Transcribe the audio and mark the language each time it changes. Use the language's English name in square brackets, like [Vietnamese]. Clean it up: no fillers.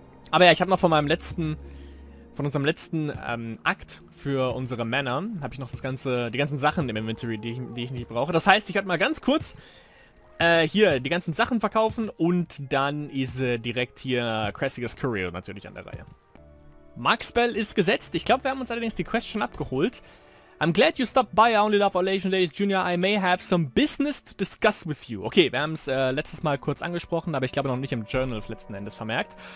[German] Aber ja, ich habe noch von unserem letzten Akt für unsere Männer, habe ich noch das ganze, die ganzen Sachen im Inventory, die ich nicht brauche. Das heißt, ich werde mal ganz kurz hier die ganzen Sachen verkaufen und dann ist direkt hier Crestius Curio natürlich an der Reihe. Mark Spell ist gesetzt. Ich glaube, wir haben uns allerdings die Quest schon abgeholt. [English] I'm glad you stopped by. I only love our legendaries, Junior. I may have some business to discuss with you. [German] Okay, wir haben es letztes Mal kurz angesprochen, aber ich glaube noch nicht im Journal letzten Endes vermerkt.